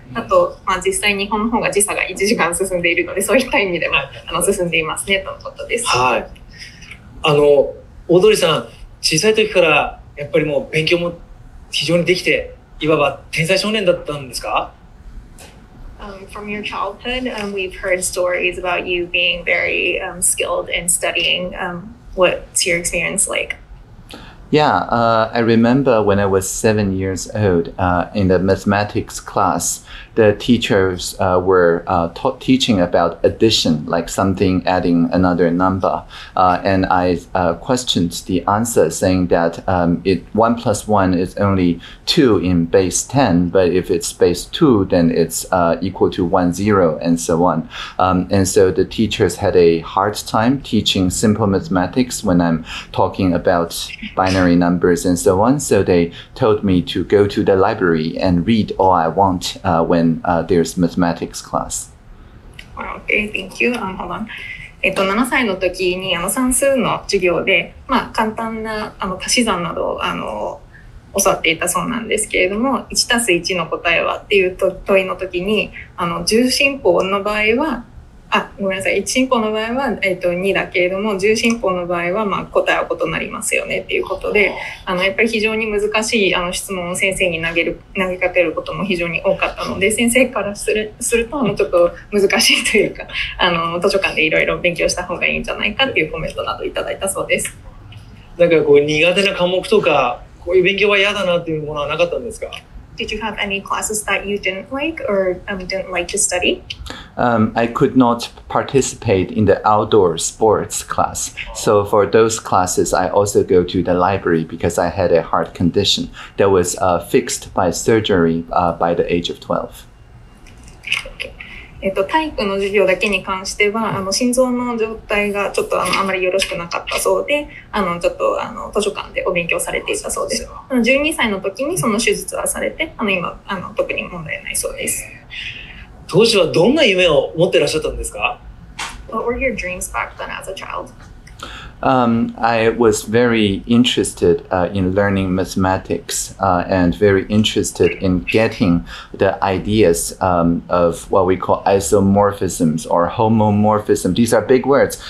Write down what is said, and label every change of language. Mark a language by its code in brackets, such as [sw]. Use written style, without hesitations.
[ja] あと、実際日本の方が時差が1時間進んでいるのでそういった意味でも進んでいますねとのことです。はい。オードリーさん、小さい時からやっぱりもう勉強も非常にできて、いわば天才少年だったんですか? [en] From your childhood, we've heard stories about you being very skilled in studying. What's your experience like? Yeah, I remember when I was 7 years old in the mathematics class, the teachers were teaching about addition, like something adding another number. And I questioned the answer saying that 1 plus 1 is only 2 in base 10, but if it's base 2, then it's equal to 1, 0 and so on. And so the teachers had a hard time teaching simple mathematics when I'm talking about binary numbers and so on. So they told me to go to the library and read all I want whenthere's mathematics class. Wow, okay, thank you. Hold on. [ja] 7歳の時に算数の授業で、簡単な足し算などを教わっていたそうなんですけれども、1たす1の答えはっていう問いの時に、あの重心法の場合は、あ、ごめんなさい、1進法の場合は、2だけれども、重心法の場合は、まあ、答えは異なりますよねっていうことで、あのやっぱり非常に難しいあの質問を先生に投げかけることも非常に多かったので、先生からするとあのちょっと難しいというか、あの図書館でいろいろ勉強した方がいいんじゃないかっていうコメントなどいただいたそうです。なんかこう苦手な科目とか、こういう勉強は嫌だなっていうものはなかったんですか？ [en] Did you have any classes that you didn't like or didn't like to study? I could not participate in the outdoor sports class. So for those classes, I also go to the library because I had a heart condition that was fixed by surgery by the age of 12. Okay. [ja] 体育の授業だけに関しては、あの心臓の状態がちょっと あまりよろしくなかったそうで、あのちょっとあの図書館でお勉強されていたそうです。 12歳の時にその手術はされて、あの今あの特に問題ないそうです。当時はどんな夢を持ってらっしゃったんですか？ [en] What were your dreams back then as a child? I was very interested in learning mathematics and very interested in getting the ideas of what we call isomorphisms or homomorphism. These are big words.